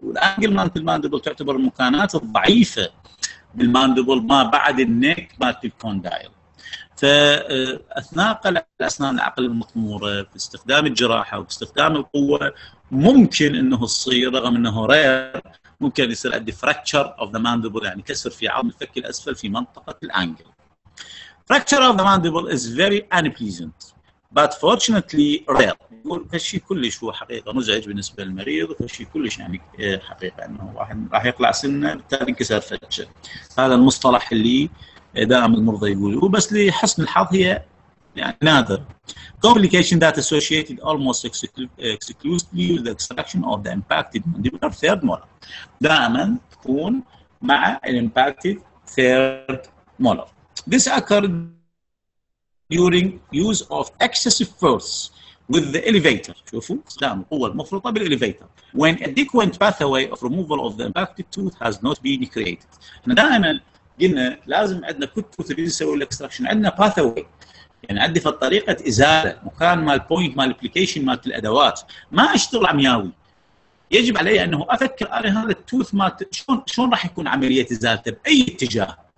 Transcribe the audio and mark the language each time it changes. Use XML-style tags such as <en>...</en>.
<ar>والأنجل مالت الماندبل تعتبر المكانات الضعيفة بالماندبل ما بعد النيك مالت الكوندايل. فأثناء قلع الأسنان العقل المخمورة باستخدام الجراحة وباستخدام القوة ممكن أنه يصير رغم أنه رير ممكن يصير عندي فراكتشر اوف ذا ماندبل يعني كسر في عظم الفك الأسفل في منطقة الأنجل.</ar> <en>Fracture of the mandible is very unpleasant, but fortunately rare.</en> <ar>فشي كلش هو حقيقة مزعج بالنسبة للمريض وفشي كلش يعني حقيقة أنه واحد راح يقلع سنه بالتالي انكسر فتشه. هذا المصطلح اللي دائما المرضى يقولوا بس لحسن الحظ هي يعني نادر.</ar> <en>Complication that associated almost exclusively with the extraction of the impacted mandibular third molar.</en> <ar>دائما تكون مع ال impacted third molar.</ar> <en>This occurred during use of excessive force with the elevator.</en> <ar>شوفوا استخدام القوة المفرطة بالإليفيتر.</ar> <en>When a adequate pathway of removal of the impacted tooth has not been created.</en> <ar>احنا دائما قلنا لازم عندنا كل tooth اللي نسوي الاكستراكشن عندنا pathway يعني عندي في طريقة إزالة مكان مال point مال application مال الأدوات ما أشتغل عمياوي. يجب علي أنه أفكر على هذا التوث مال شلون راح يكون عملية إزالته بأي اتجاه.</ar>